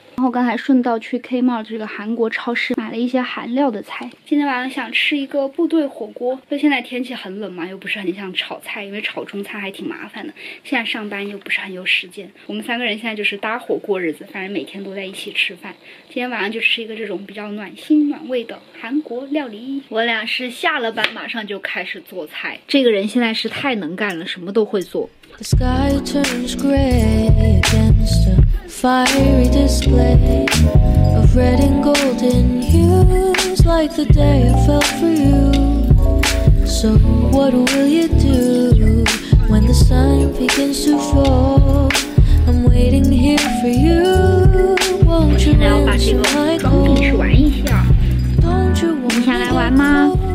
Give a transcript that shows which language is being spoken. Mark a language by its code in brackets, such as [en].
[zh] 然后刚才顺道去 Kmart 这个韩国超市买了一些韩料的菜，今天晚上想吃一个部队火锅，就现在天气很冷嘛，又不是很想炒菜，因为炒中餐还挺麻烦的，现在上班又不是很有时间，我们三个人现在就是搭伙过日子，反正每天都在一起吃饭，今天晚上就吃一个这种比较暖心暖胃的韩国料理。我俩是下了班马上就开始做菜，这个人现在是太能干了，什么都会做。 [en] The sky turns gray against a fiery display of red and golden hues like the day I felt for you. So what will you do when the sun begins to fall? I'm waiting here for you. Won't you answer my call? [zh] 我现在要把这个装进去玩一下。你想来玩吗？